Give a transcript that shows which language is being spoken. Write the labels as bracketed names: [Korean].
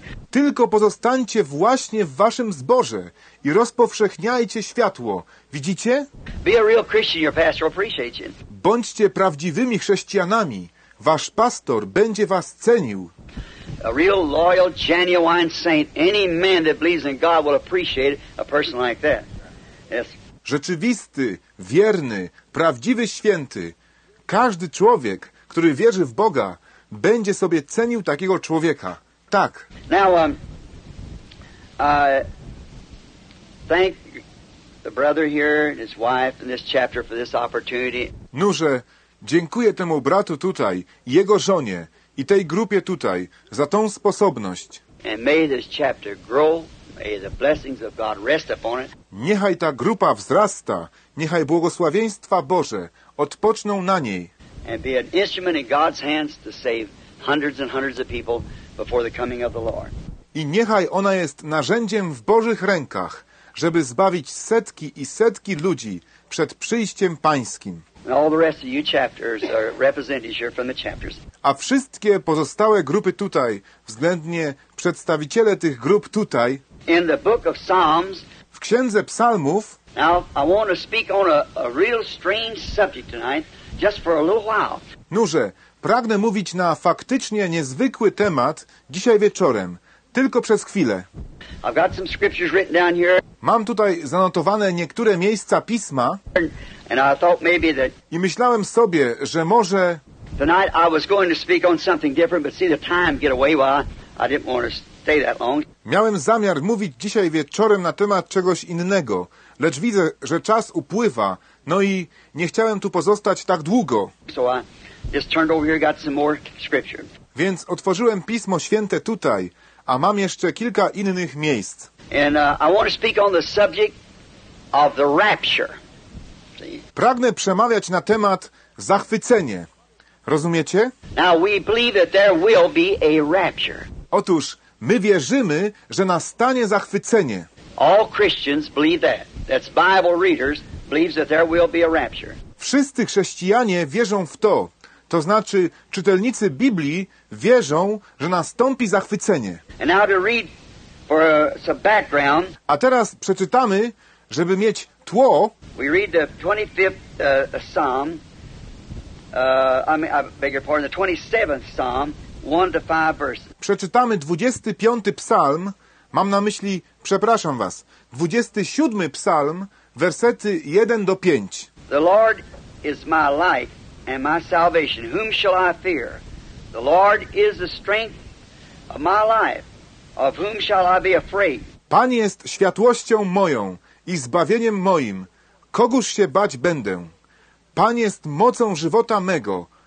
[Polish] tylko pozostańcie właśnie w waszym zborze i rozpowszechniajcie światło. Widzicie? [English] Be a real Christian, your pastor will appreciate you. [Polish] Bądźcie prawdziwymi chrześcijanami. Wasz pastor będzie was cenił. [English] A real loyal, genuine saint, any man that believes in God will appreciate a person like that. Yes. [Polish] Rzeczywisty, wierny, prawdziwy święty. Każdy człowiek, który wierzy w Boga, będzie sobie cenił takiego człowieka. Tak. [English] Now, thank the brother here and his wife in this chapter for this opportunity. [Polish] Noże, dziękuję temu bratu tutaj, jego żonie i tej grupie tutaj za tą sposobność. [English] And may this chapter grow. May the blessings of God rest upon it. [Polish] Niechaj ta grupa wzrasta. Niechaj błogosławieństwa Boże odpoczną na niej. [English] And be an instrument in God's hands to save hundreds and hundreds of people before the coming of the Lord. [Polish] I niechaj ona jest narzędziem w Bożych rękach, żeby zbawić setki i setki ludzi przed przyjściem Pańskim. [English] And all the rest of you chapters are representatives here from the chapters. [Polish] A wszystkie pozostałe grupy tutaj, względnie przedstawiciele tych grup tutaj, [English] in the book of Psalms, [Polish] w Księdze Psalmów. [English] Now I want to speak on a real strange subject tonight, just for a little while. [Polish] Noże, pragnę mówić na faktycznie niezwykły temat dzisiaj wieczorem, tylko przez chwilę. [English] I've got some scriptures written down here. [Polish] Mam tutaj zanotowane niektóre miejsca pisma. [English] And I thought maybe that. [Polish] I myślałem sobie, że może. [English] Tonight I was going to speak on something different, but see the time get away while I didn't want to. [Polish] Miałem zamiar mówić dzisiaj wieczorem na temat czegoś innego, lecz widzę, że czas upływa, no i nie chciałem tu pozostać tak długo. [English] So I just turned over here, got some more scripture. [Polish] Więc otworzyłem Pismo Święte tutaj, a mam jeszcze kilka innych miejsc. [English] And I want to speak on the subject of the rapture. [Polish] Pragnę przemawiać na temat zachwycenie. Rozumiecie? [English] Now we believe that there will be a rapture. [Polish] Otóż my wierzymy, że nastanie zachwycenie. [English] All Christians believe that. That's Bible readers believes that there will be a rapture. [Polish] Wszyscy chrześcijanie wierzą w to. To znaczy, czytelnicy Biblii wierzą, że nastąpi zachwycenie. [English] And now to read for some background. [Polish] A teraz przeczytamy, żeby mieć tło. [English] We read the 25th Psalm. The 27th Psalm. 1-5 verses. [Polish] Przeczytamy 25 psalm, mam na myśli, przepraszam was, 27 psalm, wersety 1-5. [English] The Lord is my light and my salvation. Whom shall I fear? The Lord is the strength of my life. Of whom shall I be afraid? [Polish] Pan jest światłością moją i zbawieniem moim. Kogóż się bać będę? Pan jest mocą żywota mego.